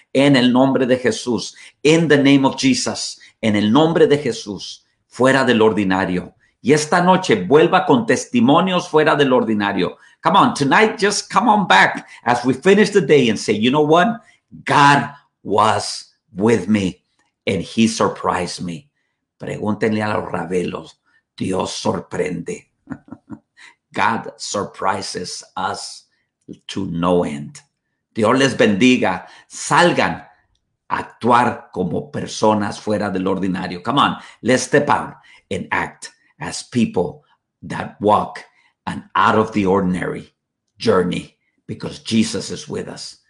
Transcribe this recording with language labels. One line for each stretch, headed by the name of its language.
Spanish: En el nombre de Jesús,
English: in the name of Jesus,
Spanish: en el nombre de Jesús, fuera del ordinario. Y esta noche vuelva con testimonios fuera del ordinario.
English: Come on, tonight, just come on back as we finish the day and say, you know what? God was with me, and he surprised me.
Spanish: Pregúntenle a los rabelos. Dios sorprende.
English: God surprises us to no end.
Spanish: Dios les bendiga. Salgan a actuar como personas fuera del ordinario.
English: Come on, let's step out and act as people that walk an out of the ordinary journey because Jesus is with us.